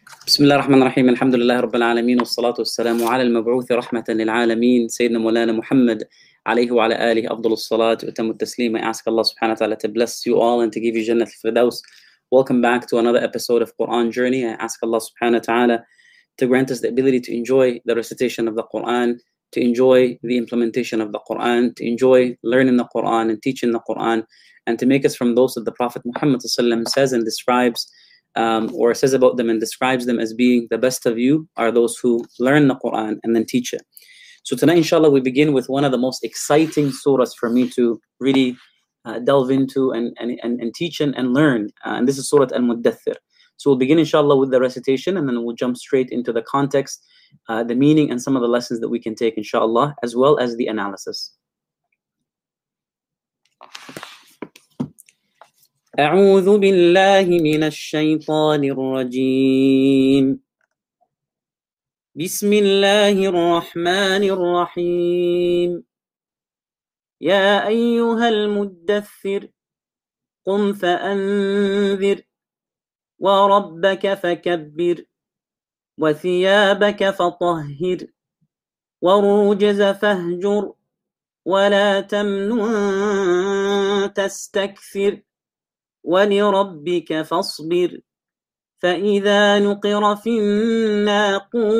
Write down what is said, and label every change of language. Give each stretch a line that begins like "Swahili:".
Arabic: بسم الله الرحمن الرحيم الحمد لله رب العالمين والصلاة والسلام على المبعوث رحمة للعالمين سيدنا مولانا محمد عليه وعلى آله أفضل الصلاة وتم التسليم.
English: I ask Allah subhanahu wa ta'ala to bless you all and to give you Jannah al-Firdaus. Welcome back to another episode of Quran Journey. I ask Allah subhanahu wa ta'ala to grant us the ability to enjoy the recitation of the Quran, to enjoy the implementation of the Quran, to enjoy learning the Quran and teaching the Quran, and to make us from those that the Prophet Muhammad says and describes or says about them and describes them as being the best of you are those who learn the Quran and then teach it. So tonight, inshallah, we begin with one of the most exciting surahs for me to really delve into and teach and learn. And this is Surah Al-Muddathir. So we'll begin, inshallah, with the recitation and then we'll jump straight into the context, the meaning and some of the lessons that we can take, inshallah, as well as the analysis.
Arabic: أعوذ بالله من الشيطان الرجيم بسم الله الرحمن الرحيم يا أيها المدثر قم فأنذر وربك فكبر وثيابك فطهر والرجز فاهجر ولا تمنن تستكثر ولربك فاصبر فإذا نقر في الناقور